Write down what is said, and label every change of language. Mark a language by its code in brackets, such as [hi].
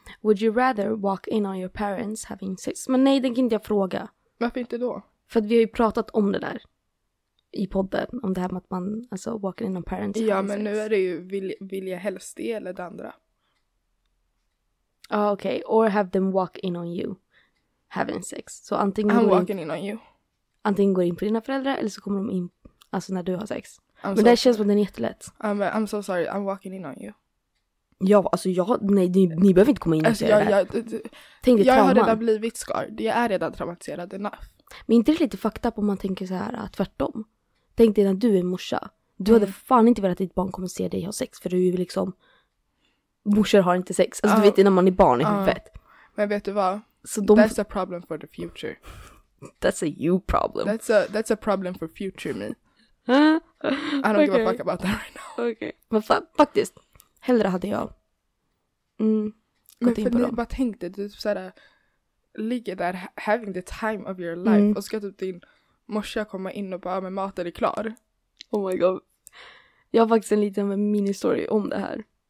[en] Would you rather walk in on your parents having sex? [sv] Men nej, den kan inte jag fråga. Varför inte då? För att vi har ju pratat om det där. I podden. Om det här med att man, alltså, [en] walking in on parents having sex. [sv] Ja, men nu är det ju, vill jag helst det eller det andra? Ja, okej. [en] Or have them walk in on you having sex. [sv] Så antingen [en] I'm walking in on you. [sv] Antingen går in på dina föräldrar eller så kommer de in. Alltså när du har sex. Men det känns som att den är jättelätt. [en] I'm so sorry, I'm walking in on you. [sv] Ja, alltså jag... Nej, ni behöver inte komma in och säga det här. Jag har redan blivit scarred. Jag är redan traumatiserad enough. Men inte det lite fucked up om man tänker så här tvärtom? Tänk dig när du är morsa. Du hade fan inte velat att ditt barn kommer se dig ha sex. För du är ju liksom... Morsor har inte sex. Alltså du vet när man är barn i huvudet. Men vet du vad? Så [en] that's a problem for the future. That's a you problem. That's a problem for future me. I don't give a fuck about that right now. Okay. [sv] Men faktiskt, hellre hade jag gått in på dem. Men för ni bara tänkte, du typ såhär, ligger där [en] having the time of your life [sv] och ska typ din morsa komma in och bara, men maten är klar. [en] Oh my god. [sv] Jag har faktiskt en liten mini-story om det här.